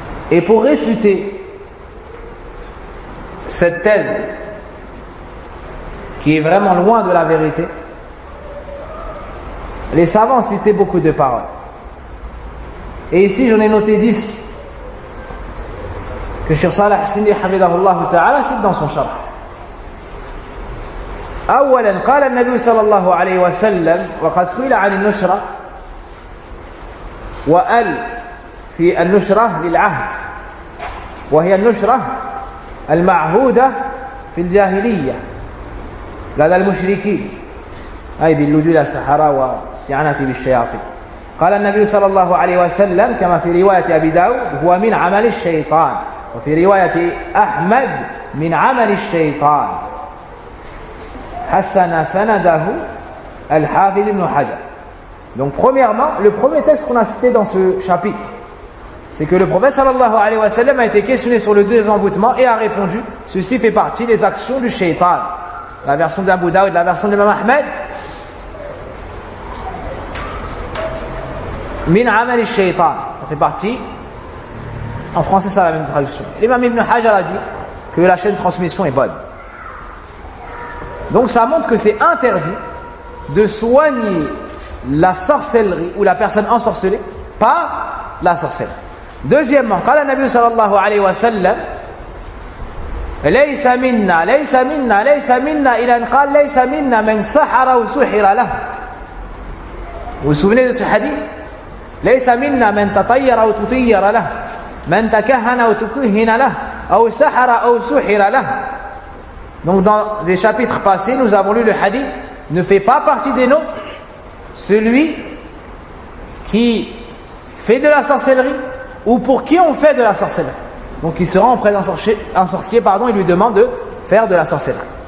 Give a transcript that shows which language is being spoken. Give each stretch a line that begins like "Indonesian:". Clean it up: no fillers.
French: Et pour réfuter cette thèse qui est vraiment loin de la vérité, les savants citaient beaucoup de paroles. Et ici, j'en ai noté 10 que Cheikh Salah Sindi Hamidahullah Ta'ala cite dans son charh.
Arabic: أولاً قال النبي صلى الله عليه وسلم وقد سئل عن النشرة وقال في النشرة للعهد وهي النشرة المعهودة في الجاهلية لدى المشركين أي بالنجول السحرة واستعانة بالشياطين. قال النبي صلى الله عليه وسلم كما في رواية أبي داود هو من عمل الشيطان وفي رواية أحمد من عمل الشيطان حسن سنده الحافظ ابن حجر.
French: Donc premièrement, le premier texte qu'on a cité dans ce chapitre, c'est que le prophète sallallahu alayhi wa sallam a été questionné sur le désenvoûtement et a répondu, ceci fait partie des actions du shaitan. La version d'Abu Daoud, la version de l'imam Ahmed.
Arabic: Min amal shaitan,
French: ça fait partie. En français, ça a la même traduction. L'imam ibn Hajar a dit que la chaîne de transmission est bonne. Donc ça montre que c'est interdit de soigner la sorcellerie ou la personne ensorcelée par la sorcellerie.
Arabic: Deuxièmement, قال النبي صلى الله عليه وسلم ليس منا ليس منا ليس منا إلى أن قال ليس منا من سحر وسحر له.
French: Vous vous souvenez de ce hadith?
Arabic: ليس منا من تطير أو تطير له من تكهن أو تكهن له أو سحر أو سحر له.
French: Donc dans des chapitres passés, nous avons lu le hadith, ne fait pas partie des nôtres celui qui fait de la sorcellerie ou pour qui on fait de la sorcellerie. Donc il se rend auprès d'un sorcier, il lui demande de faire de la sorcellerie.